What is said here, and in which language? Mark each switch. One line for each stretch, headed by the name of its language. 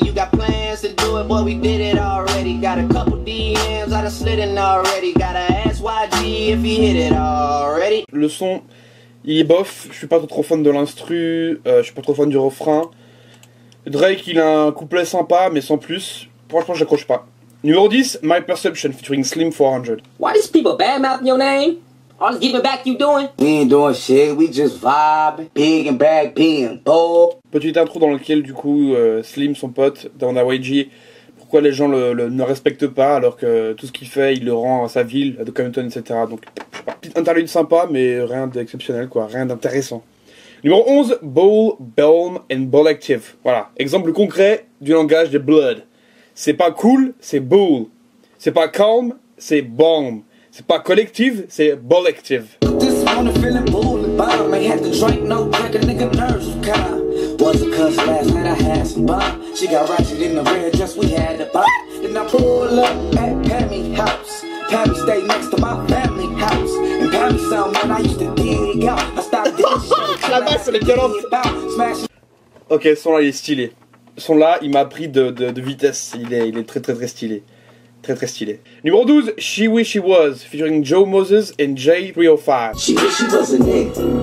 English: You got plans to do it, but we did it already. Got a couple DMs, I done slid in already. Gotta ask YG if he hit it already.
French: Le son, il est bof. Je suis pas trop fan de l'instru. Je suis pas trop fan du refrain. Drake, il a un couplet sympa, mais sans plus. Franchement, j'accroche pas. Numéro 10, My Perception featuring Slim 400.
English: Why these people badmouthing your name? All this giving back you doing? We ain't doing shit, we just vibing. Big and bag, being bold.
French: Petite intro dans laquelle du coup Slim, son pote, dans la YG, pourquoi les gens le ne respectent pas alors que tout ce qu'il fait, il le rend à sa ville, à Compton, etc. Donc, petite interlude sympa, mais rien d'exceptionnel quoi, rien d'intéressant. Numéro 11, Bull, Belm and Bull Active. Voilà, exemple concret du langage des Blood. C'est pas cool, c'est Bull. C'est pas calm, c'est bomb. C'est pas collective, c'est bollective.
English: This morning feeling bull and bomb. Ain't had to drink no drink, a nigga nerves was calm. Was a cuss last night, I had some bomb. She got ratchet in the red dress, we had a bop. Then I pull up at Pammy's house. Pammy stayed next to my family house. And Pammy sound when I used to dig out. I stopped this shit,
French: la basse, elle est violente. Ok, ce son là, il est stylé. Ce son là, il m'a pris de vitesse. Il est très très très stylé. Très très stylé. Numéro 12, She Wish She Was, featuring Joe Moses and J305.
English: She wish she was a nigga.